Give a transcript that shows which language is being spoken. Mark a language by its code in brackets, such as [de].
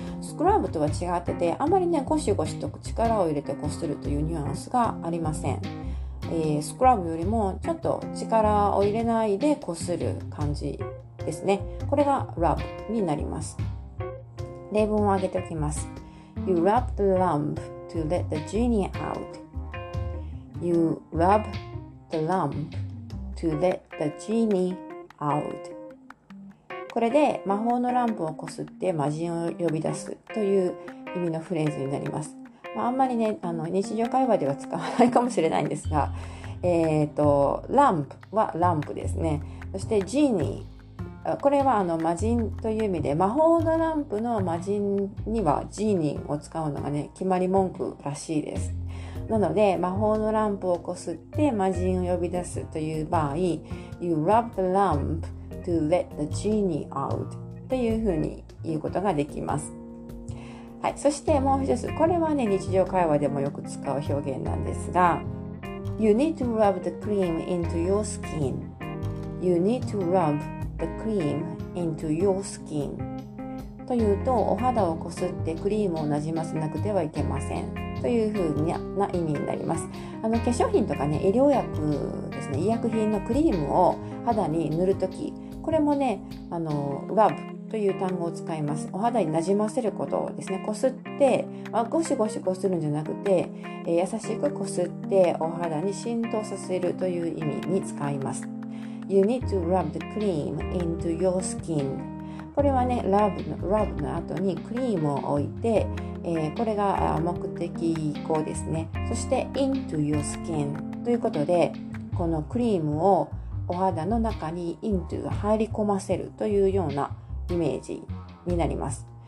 [ja] スクラブとは違ってて、あまりね、ゴシゴシと力を入れてこするというニュアンスがありません。スクラブよりもちょっと力を入れないでこする感じですね。これがラブになります。例文を挙げておきます。 [en] You rub the lamp to let the genie out. You rub the lamp to let the genie out. [ja] これで魔法のランプをこすって魔人を呼び出すという意味のフレーズになります。あんまりね、日常会話では使わないかもしれないんですが、ランプはランプですね。そしてジーニー、これは魔人という意味で、魔法のランプの魔人にはジーニーを使うのがね、決まり文句らしいです。なので、魔法のランプをこすって魔人を呼び出すという場合、 [en] You rub the lamp to let the genie out [ja] というふうに言うことができます。はい、そしてもう一つ、これはね、日常会話でもよく使う表現なんですが、 [en] You need to rub the cream into your skin. You need to rub the cream into your skin. [ja] というと、お肌をこすってクリームをなじませなくてはいけませんというふうな意味になります。化粧品とかね、医療薬ですね、医薬品のクリームを肌に塗るとき、これもね、rubという単語を使います。お肌になじませることですね。こすって、ゴシゴシこするんじゃなくて、優しくこすってお肌に浸透させるという意味に使います。 [en] You need to rub the cream into your skin. [ja] これはね、ラブの後にクリームを置いて、これが目的語ですね。そして into your skin ということで、このクリームをお肌の中に into 入り込ませるというようなイメージになります。